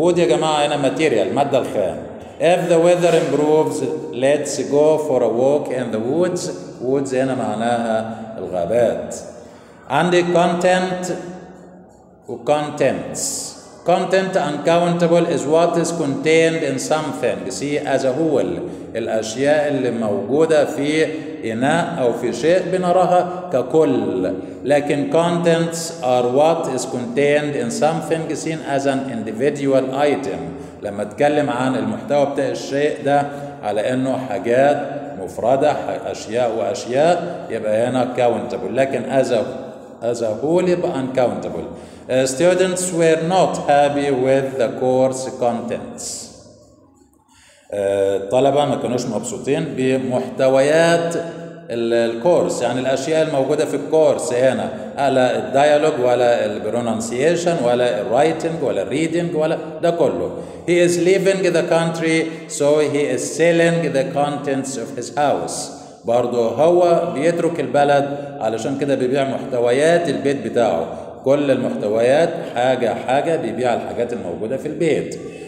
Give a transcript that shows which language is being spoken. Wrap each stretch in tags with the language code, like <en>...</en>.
<ar>Wood يا جماعة هنا material، مادة الخام.</ar> <en>If the weather improves, let's go for a walk in the woods.</en> <ar>Woods هنا معناها الغابات. عندي content و contents.</ar> <en>Content uncountable is what is contained in something. See as a whole.</en> <ar>الأشياء اللي موجودة في إناء أو في شيء بنراها ككل.</ar> <en>لكن contents are what is contained in something seen as an individual item.</en> <ar>لما تكلم عن المحتوى بتاع الشيء ده على أنه حاجات مفردة، أشياء وأشياء، يبقى هنا countable.</ar> <en>لكن as a whole يبقى uncountable. Students were not happy with the course contents.</en> <ar>الطلبة ما كانوش مبسوطين بمحتويات الكورس يعني الأشياء الموجودة في الكورس هنا، لا الديالوج ولا البرونانسيشن ولا الرايتنج ولا الريدنج ولا ده كله.</ar> <en>He is leaving the country so he is selling the contents of his house.</en> <ar>برضو هو بيترك البلد علشان كده بيبيع محتويات البيت بتاعه، كل المحتويات حاجة حاجة بيبيع الحاجات الموجودة في البيت.</ar>